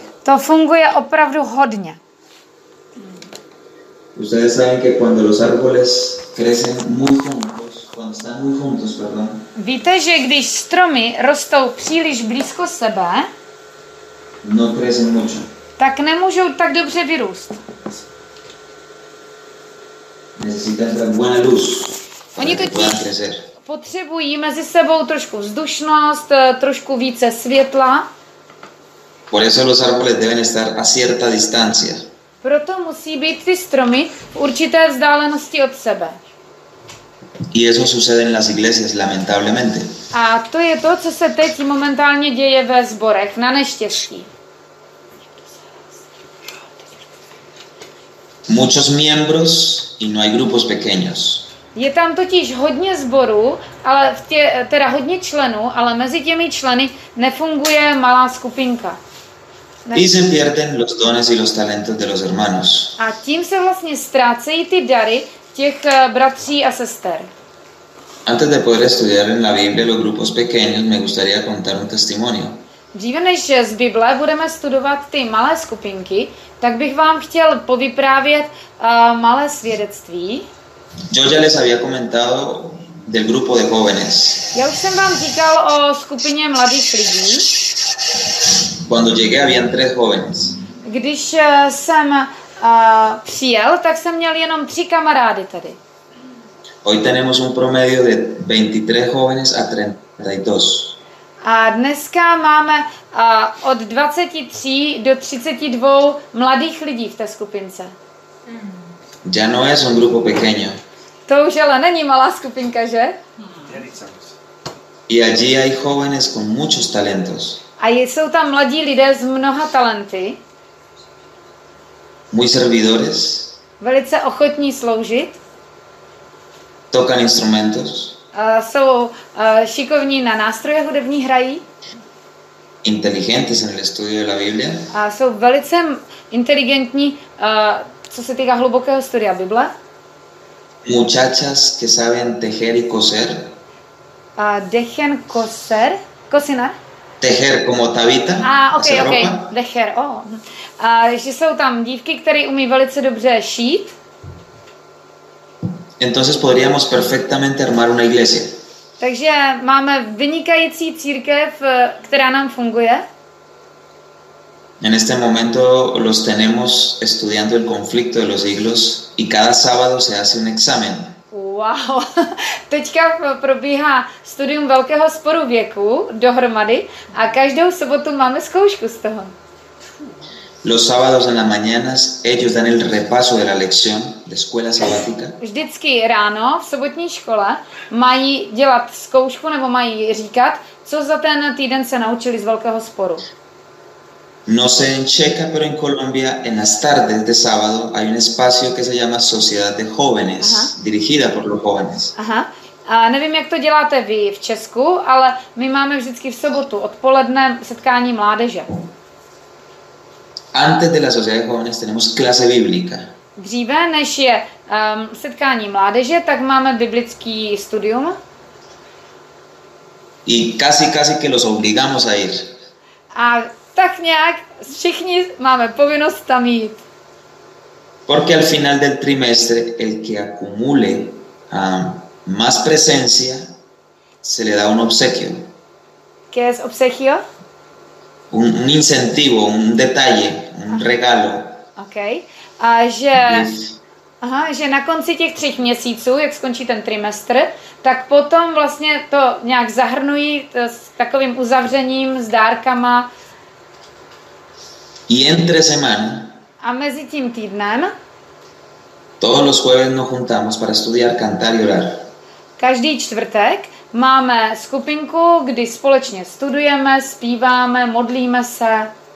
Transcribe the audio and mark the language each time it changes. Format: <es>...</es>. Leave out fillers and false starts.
<cs>To funguje opravdu hodně.</cs> <es>Ustedes saben que cuando los árboles crecen muy juntos, cuando están muy juntos, perdón.</es> <cs>Víte, že když stromy rostou příliš blízko sebe,</cs> <es>no crecen mucho.</es> <cs>Tak nemůžou tak dobře vyrůst.</cs> <es>Necesitan buena luz.</es> <cs>Oni totiž potřebují mezi sebou trošku vzdušnost, trošku více světla.</cs> <es>Por eso los árboles deben estar a cierta distancia.</es> <cs>Proto musí být ty stromy v určité vzdálenosti od sebe.</cs> <es>Y eso sucede en las iglesias, lamentablemente.</es> <cs>A to je to, co se teď momentálně děje ve sborech, na neštěstí.</cs> <es>Muchos miembros y no hay grupos pequeños.</es> <cs>Je tam totiž hodně sborů, ale teda hodně členů, ale mezi těmi členy nefunguje malá skupinka.</cs> <es>Y se pierden los dones y los talentos de los hermanos.</es> <cs>A tím se vlastně ztrácejí ty dary těch bratří a sester.</cs> <es>Antes de poder estudiar en la Biblia los grupos pequeños, me gustaría contar un testimonio.</es> <cs>Dříve než z Bible budeme studovat ty malé skupinky, tak bych vám chtěl povyprávět malé svědectví.</cs> <es>Yo ya les había comentado del grupo de jóvenes.</es> <cs>Ya už jsem vám říkal o skupině mladých lidí.</cs> <es>Cuando llegué habían tres jóvenes.</es> <cs>Když jsem přijel, tak jsem měl jenom tři kamarády tady.</cs> <es>Hoy tenemos un promedio de 23 jóvenes a 32.</es> <cs>A dneska máme od 23 do 32 mladých lidí v té skupince.</cs> <es>Ya no es un grupo pequeño.</es> <cs>To už ale není malá skupinka, že?</cs> <es>Y allí hay jóvenes con muchos talentos.</es> <cs>A jsou tam mladí lidé s mnoha talenty.</cs> <es>Muy servidores.</es> <cs>Velice ochotní sloužit.</cs> <es>Tocan instrumentos.</es> <cs>Jsou šikovní na nástroje hudební, hrají.</cs> <es>Inteligentes en el estudio de la Biblia.</es> <cs>Jsou velice inteligentní, co se týká hlubokého studia Bible.</cs> <es>Muchachas que saben tejer y coser. Dejen coser, cocina. Tejer como Tabita. Dejer, oh.</es> <cs>Ještě jsou tam dívky, které umí velice dobře šít.</cs> <es>Entonces podríamos perfectamente armar una iglesia.</es> <cs>Takže máme vynikající církev, která nám funguje.</cs> <es>En este momento los tenemos estudiando el conflicto de los siglos y cada sábado se hace un examen.</es> <cs>Wow, teďka probíhá studium velkého sporu věku dohromady a každou sobotu máme zkoušku z toho.</cs> <es>Los sábados en las mañanas ellos dan el repaso de la lección de escuela sabática.</es> <cs>Vždycky ráno v sobotní škole mají dělat zkoušku nebo mají říkat, co za ten týden se naučili z velkého sporu.</cs> <es>No sé en Checa, pero en Colombia en las tardes de sábado hay un espacio que se llama Sociedad de Jóvenes, dirigida por los jóvenes.</es> <cs>A nevím, jak to děláte vy v Česku, ale my máme vždycky v sobotu odpoledne setkání mládeže.</cs> <es>Antes de la Sociedad de Jóvenes tenemos clase bíblica.</es> <cs>Dříve než je setkání mládeže, tak máme biblický studium.</cs> <es>Y casi que los obligamos a ir.</es> <cs>A tak nějak všichni máme povinnost tam jít.</cs> <es>Porque al final del trimestre el que acumule más presencia se le da un obsequio. ¿Qué es obsequio? Un incentivo, un detalle, un regalo.</es> <en>Okay.</en> <cs>A že, že na konci těch tří měsíců, jak skončí ten trimestr, tak potom vlastně to nějak zahrnují to s takovým uzavřením, s dárkama.</cs> <es>Y entre semana.</es> <cs>A mezi tím týdnem.</cs> <es>Todos los jueves nos juntamos para estudiar, cantar y orar.</es> <cs>Každý čtvrtek máme skupinku, kdy společně studujeme, zpíváme, modlíme se.</cs>